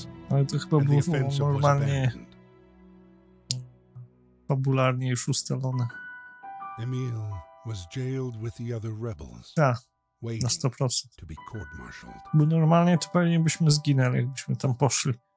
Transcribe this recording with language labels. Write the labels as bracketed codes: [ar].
[pl] Ale to chyba było normalnie. Fabularnie już ustalone. [en] Emil was jailed with the other rebels. [pl] Tak, na 100%. Bo normalnie to pewnie byśmy zginęli, jakbyśmy tam poszli.